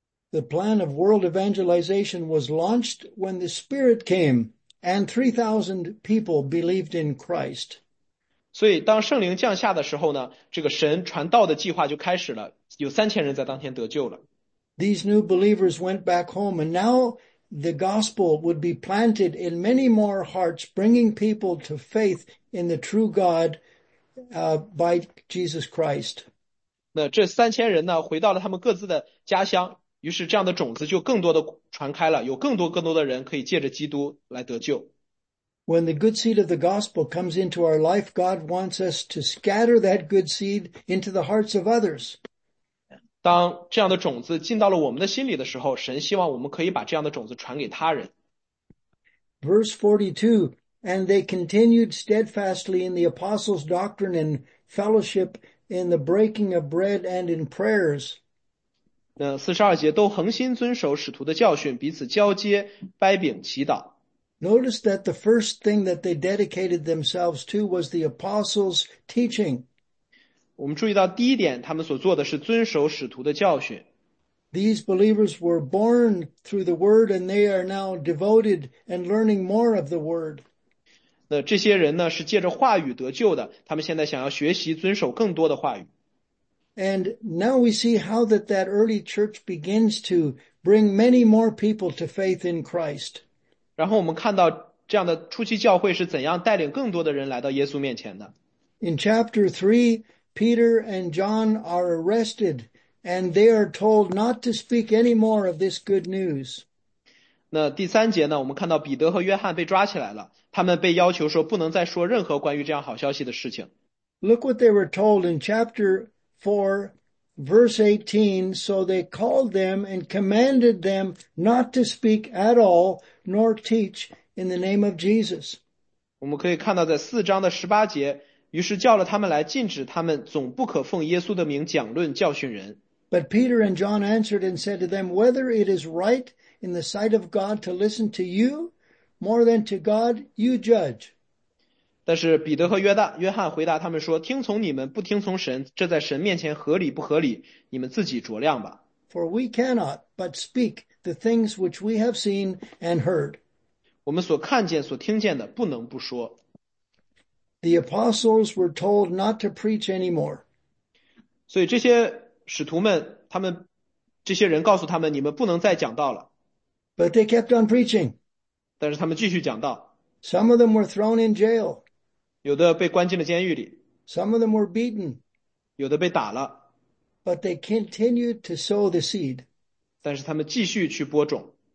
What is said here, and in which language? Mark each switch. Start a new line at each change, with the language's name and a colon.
English: The plan of world evangelization was launched when the Spirit came and 3,000 people believed in Christ.
Chinese: 所以当圣灵降下的时候呢，这个神传道的计划就开始了，有3000人在当天得救了。
English: These new believers went back home and now the gospel would be planted in many more hearts, bringing people to faith in the true God, by Jesus Christ.
Chinese: 那这3000人呢，回到了他们各自的家乡，于是这样的种子就更多的传开了，有更多的人可以借着基督来得救。
English: When the good seed of the gospel comes into our life, God wants us to scatter that good seed into the hearts of others.
Chinese: 当这样的种子进到了我们的心里的时候，神希望我们可以把这样的种子传给他人。
English: Verse 42, and they continued steadfastly in the apostles' doctrine and fellowship, in the breaking of bread and in prayers.
Chinese: 那42节都恒心遵守使徒的教训，彼此交接、掰饼、祈祷。
English: Notice that the first thing that they dedicated themselves to was the apostles' teaching.
Chinese: 我们注意到第一点，他们所做的是遵守使徒的教训。
English: These believers were born through the word and they are now devoted and learning more of the word.
Chinese: 那这些人呢，是借着话语得救的，他们现在想要学习遵守更多的话语。
English: And now we see how that early church begins to bring many more people to faith in Christ.
Chinese: 然后我们看到这样的初期教会是怎样带领更多的人来到耶稣面前的。
English: In chapter 3, Peter and John are arrested and they are told not to speak any more of this good news.
Chinese: 那第三节呢，我们看到彼得和约翰被抓起来了，他们被要求说不能再说任何关于这样好消息的事情。
English: Look what they were told in chapter 4, verse 18, so they called them and commanded them not to speak at all nor teach in the name of Jesus.
Chinese: 我们可以看到在四章的十八节，于是叫了他们来，禁止他们总不可奉耶稣的名讲论教训人。
English: But Peter and John answered and said to them, whether it is right in the sight of God to listen to you more than to God, you judge.
Chinese: 但是彼得和约翰回答他们说，听从你们不听从神，这在神面前合理不合理，你们自己酌量吧。
English: For we cannot but speak the things which we have seen and heard.
Chinese: 我们所看见所听见的不能不说。
English: The apostles were told not to preach anymore.
Chinese: 所以这些使徒们，他们这些人告诉他们，你们不能再讲道了。
English: But they kept on preaching.
Chinese: 但是他们继续讲道。
English: Some of them were thrown in jail.
Chinese: 有的被关进了监狱里。
English: Some of them were beaten.
Chinese: 有的被打了。
English: But they continued to sow the seed.
Chinese: 但是他们继续去播种。